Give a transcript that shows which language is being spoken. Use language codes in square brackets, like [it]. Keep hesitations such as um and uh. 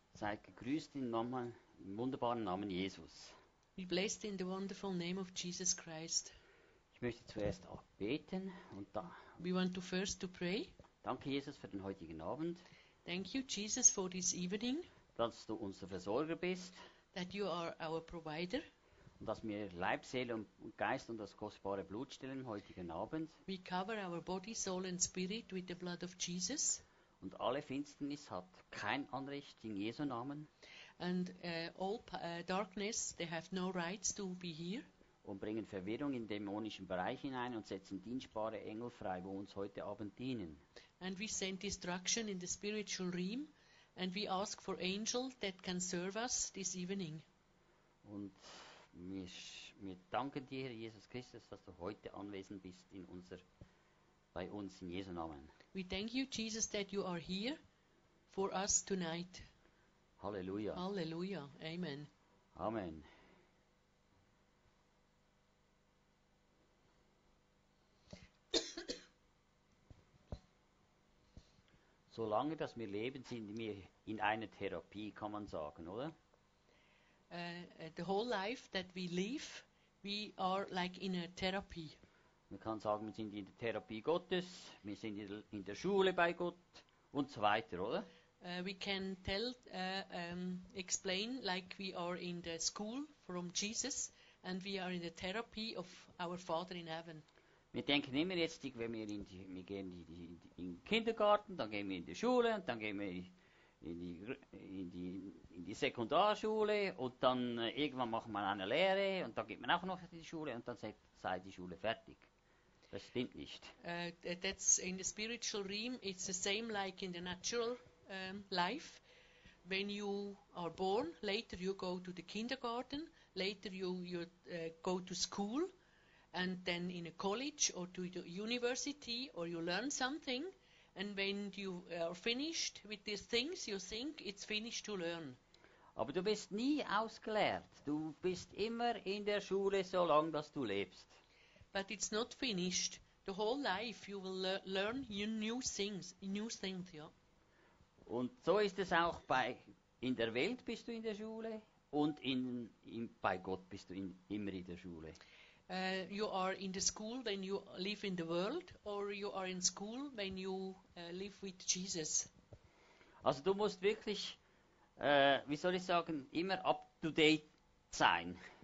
[de] Seid gegrüßt in Namen, im wunderbaren Namen Jesus. [en] We blessed in the wonderful name of Jesus Christ. [de] Ich möchte zuerst auch beten und da. [en] We want to first to pray. [de] Danke, Jesus, für den heutigen Abend. [en] Thank you, Jesus, for this evening. [de] Dass du unser Versorger bist. [en] That you are our provider. [de] Und dass wir Leib, Seele und Geist und das kostbare Blut stellen heutigen Abend. [en] We cover our body, soul and spirit with the blood of Jesus [de] und alle Finsternis hat kein Anrecht in Jesu Namen. Und alle [en] uh, all p- uh, darkness, they have no rights to be here. [de] Und bringen Verwirrung in den dämonischen Bereich hinein und setzen dienstbare Engel frei, wo uns heute Abend dienen. Und wir senden [en] destruction [de] in den [en] spiritual realm, [de] und [en] we ask for angels that can serve us this evening. [de] Und wir, danken dir, Jesus Christus, dass du heute anwesend bist unser, bei uns in Jesu Namen. [en] We thank you, Jesus, that you are here for us tonight. Hallelujah. Hallelujah. Amen. Amen. [de] Solange, dass wir leben, sind wir in einer Therapie, kann man sagen, oder? [en] Uh, the whole life that we live, we are like in a therapy. [de] Man kann sagen, wir sind in der Therapie Gottes, wir sind in der, in der Schule bei Gott und so weiter, oder? [en] Uh, we can tell, uh, um, explain, like we are in the school from Jesus and we are in the therapy of our Father in Heaven. [de] Wir denken immer jetzt, die, wenn wir in die, wir gehen in, den Kindergarten, dann gehen wir in die Schule und dann gehen wir in die, in, die, in die, Sekundarschule und dann irgendwann machen wir eine Lehre und dann geht man auch noch in die Schule und dann sei, sei die Schule fertig. Uh, [en] that's in the spiritual realm, it's the same like in the natural um, life. When you are born, later you go to the kindergarten, later you, you uh, go to school, and then in a college or to the university, or you learn something. And when you are finished with these things, you think it's finished to learn. [de] Aber du bist nie ausgelernt. [en] You're always in school [de] Schule, [en] so long as you live. but it's not finished. The whole life you will learn new things, new things yeah. [de] Und so ist es auch bei in der Welt bist du in der Schule und in, in bei Gott bist du in, immer in der Schule. [en] Uh, you are in the school when you live in the world or you are in school when you uh, live with Jesus. [de] Also du musst wirklich, uh, wie soll ich sagen, immer [en] up to date [de] sein.